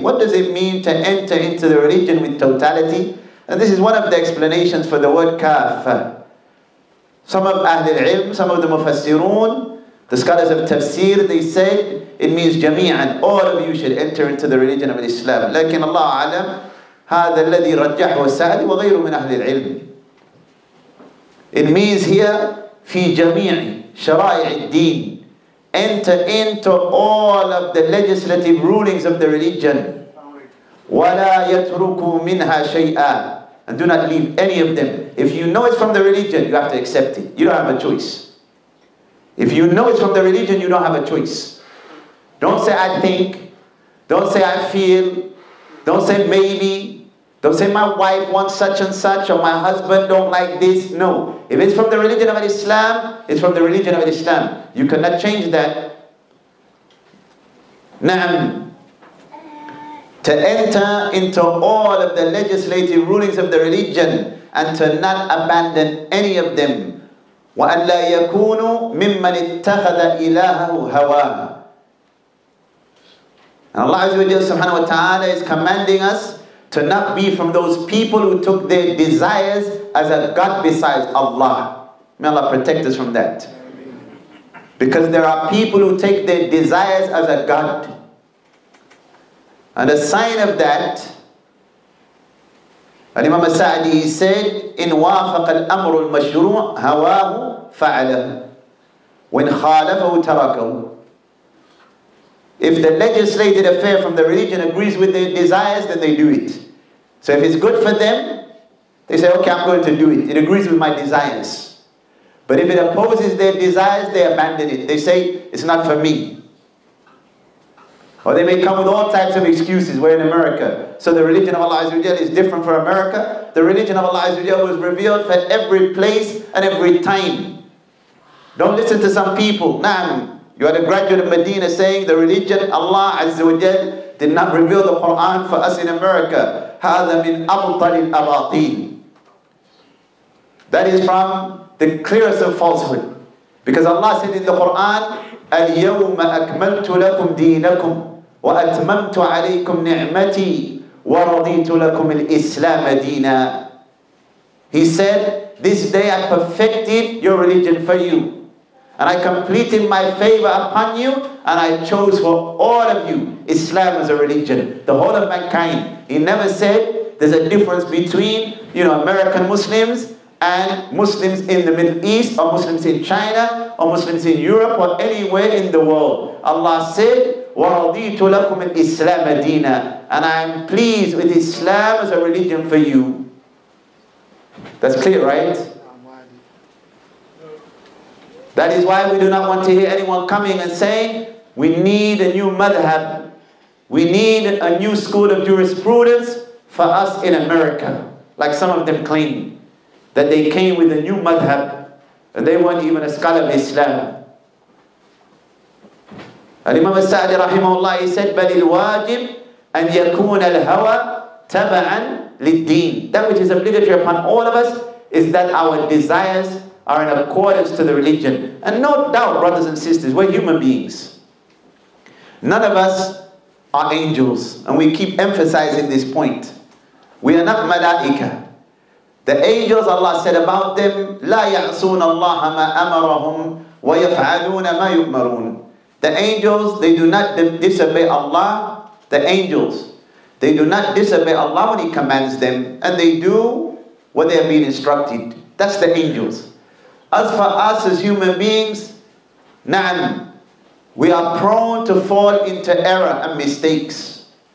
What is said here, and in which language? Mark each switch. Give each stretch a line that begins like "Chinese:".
English: What does it mean to enter into the religion with totality? And this is one of the explanations for the word كَافَةً. Some of Ahlul Ilm, some of the Mufassirun, the scholars of tafsir, they say it means jami'an, all of you should enter into the religion of Islam.
Arabic: لكن الله أعلم هذا الذي رجحه السعدي وغيره من أهل العلم.
English: It means here
Arabic: في جميع شرائع الدين,
English: enter into all of the legislative rulings of the religion.
Arabic: ولا يتركوا منها شيئا,
English: and do not leave any of them. If you know it's from the religion, you have to accept it. You don't have a choice. If you know it's from the religion, you don't have a choice. Don't say, "I think." Don't say, "I feel." Don't say, "Maybe." Don't say, "My wife wants such and such," or "My husband don't like this." No. If it's from the religion of Islam, it's from the religion of Islam. You cannot change that. Na'am. To enter into all of the legislative rulings of the religion and to not abandon any of them.
Arabic: وأن لا يكونوا ممن اتخذ إلهه هواه.
English: And Allah Azza wa Jalla subhanahu wa ta'ala is commanding us to not be from those people who took their desires as a god besides Allah. May Allah protect us from that. Because there are people who take their desires as a god. And a sign of that, Imam Sa'di said,
Arabic: إِنْ وَافَقَ الْأَمْرُ الْمَشْرُوعُ هَوَاهُ فَعَلَهُ وَإِنْ خَالَفَهُ تَرَكَهُ.
English: If the legislated affair from the religion agrees with their desires, then they do it. So if it's good for them, they say, okay, I'm going to do it. It agrees with my desires. But if it opposes their desires, they abandon it. They say, it's not for me. Or they may come with all types of excuses. We're in America. So the religion of Allah is different for America. The religion of Allah was revealed for every place and every time. Don't listen to some people. Nah, you had a graduate of Medina saying the religion, Allah Azza wa Jal, did not reveal the Quran for us in America.
Arabic: هَذَا مِنْ أَبْطَلِ الْأَبَاطِينَ.
English: That is from the clearest of falsehood. Because Allah said in the Quran,
Arabic: الْيَوْمَ أَكْمَلْتُ لَكُمْ دِينَكُمْ وَأَتْمَمْتُ عَلَيْكُمْ نِعْمَتِي وَرَضِيتُ لَكُمْ الْإِسْلَامَ دِينَا.
English: He said, this day I perfected your religion for you. And I completed my favor upon you, and I chose for all of you Islam as a religion, the whole of mankind. He never said there's a difference between, you know, American Muslims and Muslims in the Middle East, or Muslims in China, or Muslims in Europe, or anywhere in the world. Allah said,
Arabic: وَرَضِيتُ لَكُمْ الْإِسْلَامَ دِينًا.
English: And I am pleased with Islam as a religion for you. That's clear, right? That is why we do not want to hear anyone coming and saying, we need a new madhab. We need a new school of jurisprudence for us in America. Like some of them claim that they came with a new madhab and they weren't even a scholar of Islam.
Arabic: Al-Imam al-Sa'di rahimahullah,
English: he said,
Arabic: بَلِ الْوَاجِبِ أَنْ يَكُونَ الْهَوَى تَبَعًا لِلدِّينِ.
English: That which is obligatory upon all of us is that our desires are in accordance to the religion. And no doubt, brothers and sisters, we're human beings. None of us are angels. And we keep emphasizing this point. We are not malaika. The angels, Allah said about them,
Arabic: لَا يَعْصُونَ اللَّهَ مَا أَمَرَهُمْ وَيَفْعَلُونَ مَا يُؤْمَرُونَ.
English: The angels, they do not disobey Allah. The angels, they do not disobey Allah when He commands them. And they do what they are being instructed. That's the angels. As for us as human beings, na'am, we are prone to fall into error and mistakes.